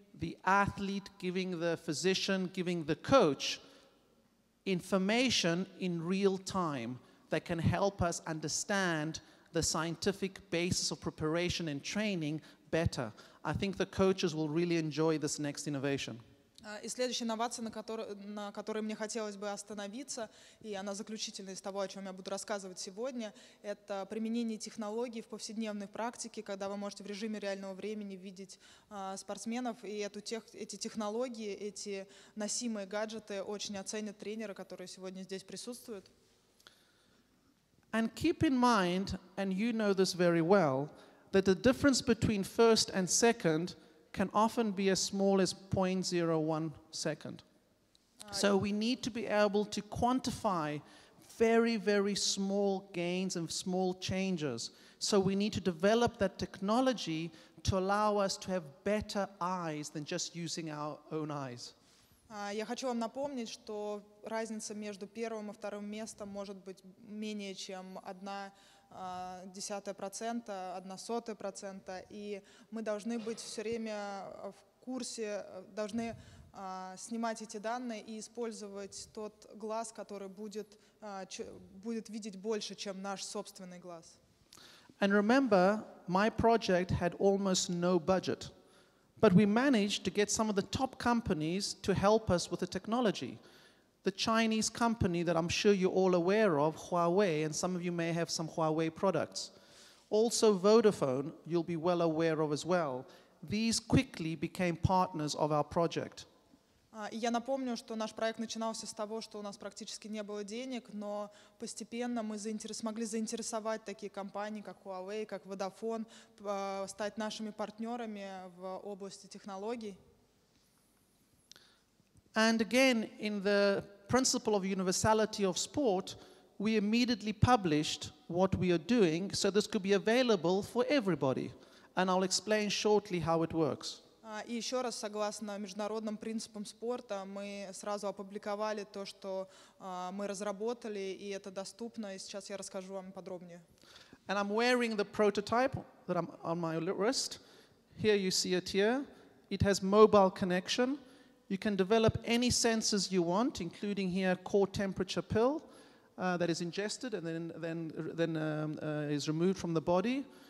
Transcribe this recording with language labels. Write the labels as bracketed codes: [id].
[en] the athlete, giving the physician, giving the coach information in real time that can help us understand the scientific basis of preparation and training better. I think the coaches will really enjoy this next innovation. [ru] И следующая инновация, на которой мне хотелось бы остановиться, и она заключительная из того, о чем я буду рассказывать сегодня, это применение технологий в повседневной практике, когда вы можете в режиме реального времени видеть спортсменов, и эти технологии, эти носимые гаджеты очень оценят тренеры, которые сегодня здесь присутствуют. [en] And keep in mind, and you know this very well, that the difference between first and second can often be as small as 0.01 second. So we need to be able to quantify very, very small gains and small changes. So we need to develop that technology to allow us to have better eyes than just using our own eyes. [ru] Я хочу вам напомнить, что разница между первым и вторым местом может быть менее чем 0.1%, 0.01%, и мы должны быть все время в курсе, должны снимать эти данные и использовать тот глаз, который будет видеть больше, чем наш собственный глаз. [en] And remember, my project had almost no budget, but we managed to get some of the top companies to help us with the technology. The Chinese company that I'm sure you're all aware of, Huawei, and some of you may have some Huawei products. Also Vodafone, you'll be well aware of as well. These quickly became partners of our project. [ru] Я напомню, что наш проект начинался с того, что у нас практически не было денег, но постепенно мы смогли заинтересовать такие компании, как Huawei, как Vodafone, стать нашими партнерами в области технологий. [en] And again, in the principle of universality of sport, we immediately published what we are doing so this could be available for everybody. And I'll explain shortly how it works. [ru] И еще раз, согласно международным принципам спорта, мы сразу опубликовали то, что мы разработали, и это доступно. И сейчас я расскажу вам подробнее. [en] And I'm wearing the prototype that I'm on my wrist. Here you see it here. It has mobile connection. You can develop any sensors you want, including here core temperature pill that is ingested and then is removed from the body.